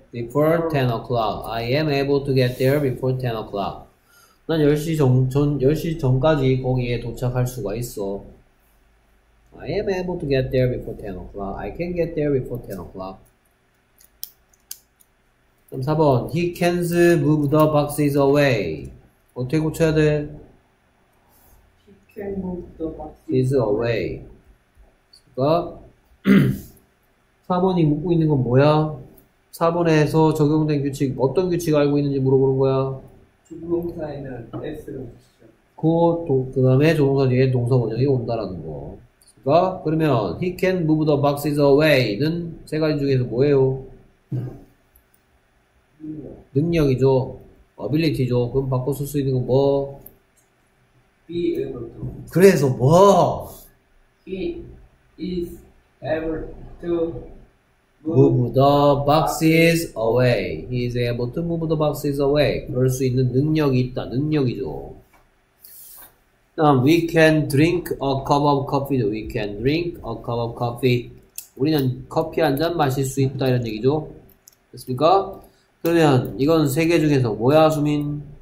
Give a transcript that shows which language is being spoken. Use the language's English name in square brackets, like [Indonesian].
[English] before 10 o'clock. I am able to get there before 10 o'clock. [Korean] 난 10시 전까지 거기에 도착할 수가 있어. [English] I am able to get there before 10 o'clock. I can get there before 10 o'clock. [Korean] 그럼 4번. [English] He can't move the boxes away. [Korean] 어떻게 고쳐야 돼? [English] He can move the boxes away. [Korean] 그니까, 4번이 묻고 있는 건 뭐야? 4번에서 적용된 규칙, 어떤 규칙을 알고 있는지 물어보는 거야? 조동사에는 S를 붙이죠. 그 다음에 조동사 뒤에 동사원형이 온다라는 거. 그니까, 그러면, [English] He can move the boxes away [Korean] 는 세 가지 중에서 뭐예요? 능력이죠. ability죠. 그럼 바꿔 쓸 수 있는 건 뭐? [English] be able to. [Korean] 그래서 뭐? [English] he is able to move the boxes away. he is able to move the boxes away. [Korean] 그럴 수 있는 능력이 있다. 능력이죠. 다음, [English] we can drink a cup of coffee. we can drink a cup of coffee. [Korean] 우리는 커피 한 잔 마실 수 있다. 이런 얘기죠. 됐습니까? 그러면 이건 세 개 중에서 뭐야, 수민?